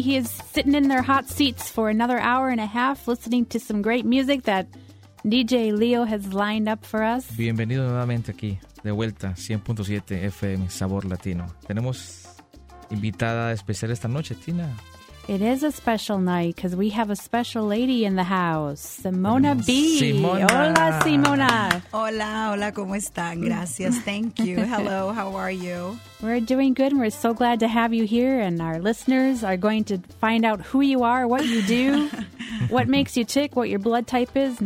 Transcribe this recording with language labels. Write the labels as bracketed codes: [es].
[en] He is sitting in their hot seats for another hour and a half listening to some great music that DJ Leo has lined up for us. [es] Bienvenido nuevamente aquí, de vuelta, 100.7 FM, Sabor Latino. Tenemos invitada especial esta noche, Tina. [en] It is a special night because we have a special lady in the house, Simona B. Simona. [es] Hola, Simona. Hola, hola, ¿cómo están? Gracias, [en] thank you. Hello, how are you? We're doing good. We're so glad to have you here, and our listeners are going to find out who you are, what you do, what makes you tick, what your blood type is.